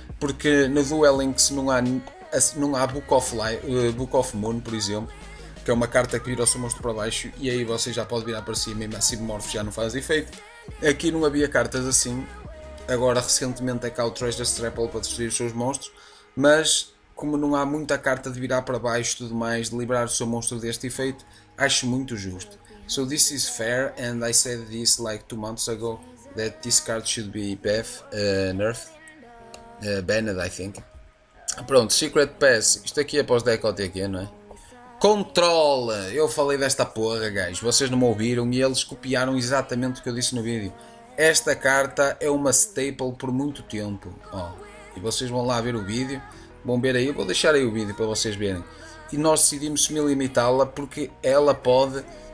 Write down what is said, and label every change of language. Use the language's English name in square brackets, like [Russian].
[Portuguese] Porque no Duel Links não há Book of Life, Book of Moon, por exemplo, que é uma carta que vira o seu monstro para baixo e aí você já pode virar para cima e Massive Morph já não faz efeito. Aqui não havia cartas assim. Agora recentemente é que há o Treasure Strapple para destruir os seus monstros, mas como não há muita carta de virar para baixo e tudo mais, de liberar o seu monstro deste efeito, acho muito justo. [English] So this is fair, and I said this like 2 months ago, that this card should be banned, I think. [Portuguese] Pronto, Secret Pass, isto aqui é para os deck OTQ, não é? Control, eu falei desta porra, gajos, vocês não me ouviram e eles copiaram exatamente o que eu disse no vídeo. Esta carta é uma staple por muito tempo, ó. E vocês vão lá ver o vídeo, vão ver aí, eu vou deixar aí o vídeo para vocês verem. E nós decidimos limitá-la porque ela pode